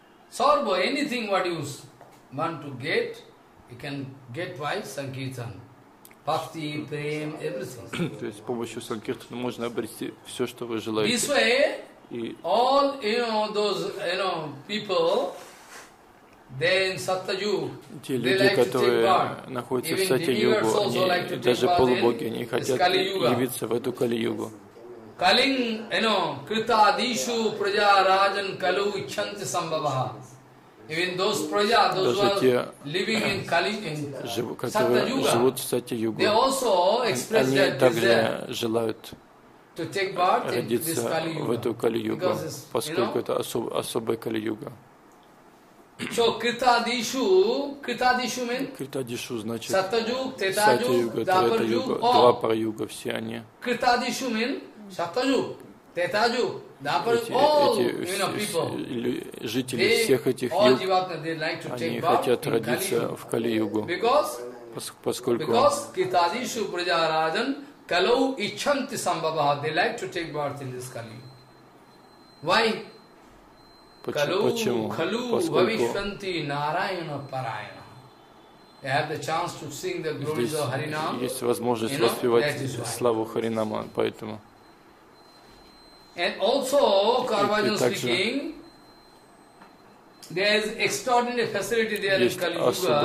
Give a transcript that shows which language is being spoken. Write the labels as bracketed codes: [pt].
[en] Sarva, anything what you want to get, you can get by sankirtan. Bhakti, prem, everything. [ru] То есть с помощью санкиртана можно обрести все, что вы желаете. [en] This way, all you know, those you know people, then Sattayu, [ru] те люди, которые находятся в Сатья-югу, даже полубоги, они хотят явиться в эту Кали-югу. [sa] Kaling, you know, krita adishu praja rajan kalu ichanti sambhavaha. [en] Even those praja, those who are living in Kali, in Satya-yuga, they also express their desire to take part in this Kali-yuga. [ru] Поскольку это особая Кали-юга. [en] So krita adishu, krita adishu mean? [ru] Krita adishu значит Satya-yuga, Treta-yuga, Dvapara-yuga, все они. [en] Krita adishu mean? Сатаджу, Тетаджу, Дапар, [ru] все жители всех этих юг, они хотят родиться в Кали-югу, поскольку [sa] китадишу праджараджан калоу ичханти самбабаха, [en] they like to take birth in this Kali. Why? [ru] Почему? [sa] Калу вавишванти нараяна параяна. [en] You have the chance to sing the glories of Харинама. [ru] Есть возможность воспевать славу Харинама, поэтому. [en] And also, Karbhajan speaking, there is extraordinary facility there in Kali Yuga.